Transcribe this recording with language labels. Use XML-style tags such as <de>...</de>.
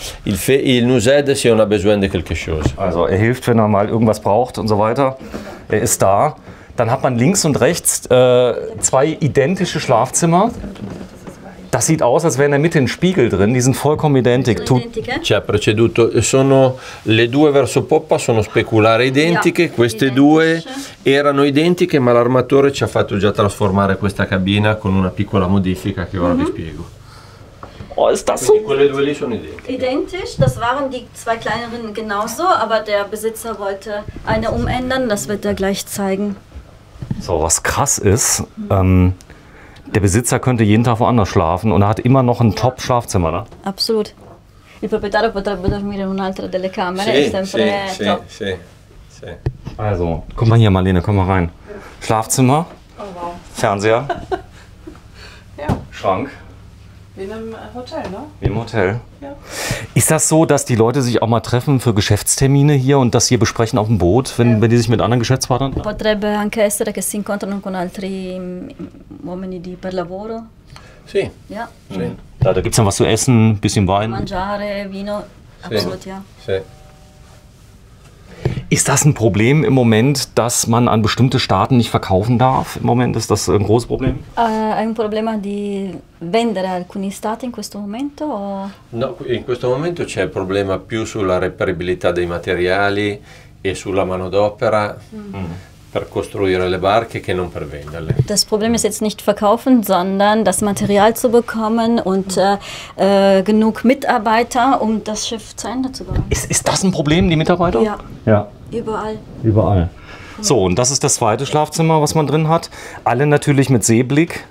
<fr>Il nous aide si on a besoin de quelque chose.</fr> <de>Also, er hilft, wenn er mal irgendwas braucht und so weiter. Er ist da. Dann hat man links und rechts zwei identische Schlafzimmer. Das sieht aus, als wären da mit den Spiegel drin. Die sind vollkommen identisch.</de> <it>C'è preceduto. Sono le due verso poppa sono speculare identiche. Queste due erano identiche, ma l'armatore ci ha fatto già trasformare questa cabina con una piccola modifica che ora vi spiego.</it> <de>Oh, ist das so?</de> <it>Quelle due lì sono identiche.</it> <de>Identisch. Das waren die zwei kleineren genauso, aber der Besitzer wollte eine umändern. Das wird er gleich zeigen. So, was krass ist. Der Besitzer könnte jeden Tag woanders schlafen und er hat immer noch ein Top-Schlafzimmer, ne? Absolut.</de> <it>Il proprietario potrebbe dormire in un'altra delle camere. Sì.</it> <de>Also, guck mal hier, Marlene, komm mal rein. Schlafzimmer. Oh, wow. Fernseher. Ja. Schrank. Wie in einem Hotel, ne? Wie im Hotel. Ja. Ist das so, dass die Leute sich auch mal treffen für Geschäftstermine hier und das hier besprechen auf dem Boot, wenn die sich mit anderen Geschäftspartnern treffen?</de> <it>Potrebbe anche essere che si incontrano con altri uomini di per lavoro. Sì.</it> <de>Ja.</de> <it>Sì.</it> <de>Da gibt's dann was zu essen, bisschen Wein.</de> <it>Mangiare, vino,</it> <de>absolut, ja.</de> <it>Sì.</it> <de>Ist das ein Problem im Moment, dass man an bestimmte Staaten nicht verkaufen darf? Im Moment ist das ein großes Problem? Ein Problem,</de> <it>di vendere alcuni stati in questo momento? O? No, in questo momento c'è il problema più sulla reperibilità dei materiali e sulla manodopera per costruire le barche che non per venderle.</it> <de>Das Problem ist jetzt nicht verkaufen, sondern das Material zu bekommen und genug Mitarbeiter, um das Schiff zu Ende zu bauen. Ist das ein Problem, die Mitarbeiter? Ja. Ja. Überall. So, und das ist das zweite Schlafzimmer, was man drin hat. Alle natürlich mit Seeblick.</de>